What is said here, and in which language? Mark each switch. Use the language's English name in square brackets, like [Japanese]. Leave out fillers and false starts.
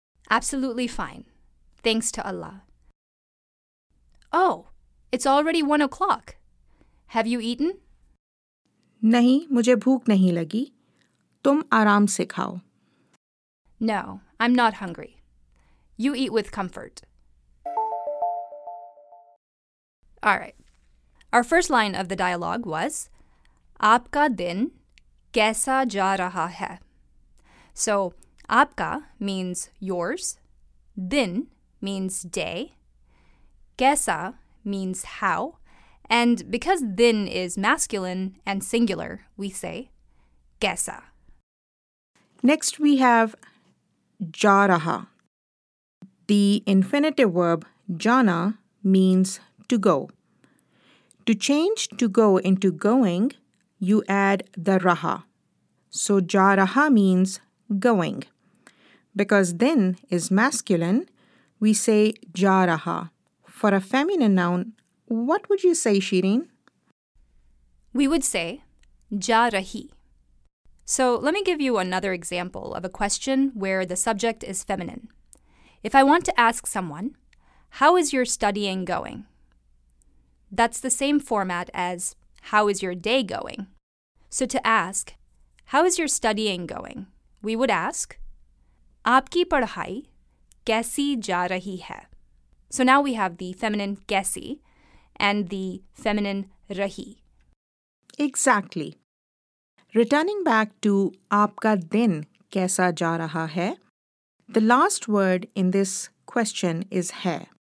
[English] Absolutely fine. Thanks to Allah. Oh, it's already 1 o'clock. Have you eaten? [Urdu] Nahi, mujhe bhook nahi lagi. Tum aaram se khao. [English] No, I'm not hungry. You eat with comfort. All right. Our first line of the dialogue was, [Urdu] آپ کا دن کیسا جا رہا ہے؟ [English] So, آپ کا means yours, دن means day, کیسا means how, and because دن is masculine and singular, we say کیسا. Next we have ja raha. The infinitive verb jana means to go. To change to go into going, you add the raha. So ja raha means going. Because din is masculine, we say ja raha. For a feminine noun, what would you say, Shireen? We would say ja rahi. So let me give you another example of a question where the subject is feminine. If I want to ask someone, how is your studying going? That's the same format as how is your day going? So to ask, how is your studying going? We would ask, [Urdu] آپ کی پڑھائی کیسی جا رہی ہے؟ [English] So now we have the feminine کیسی and the feminine رہی. Exactly. Returning back to [Urdu] Aapka din kaisa ja raha hai, [English] the last word in this question is hai.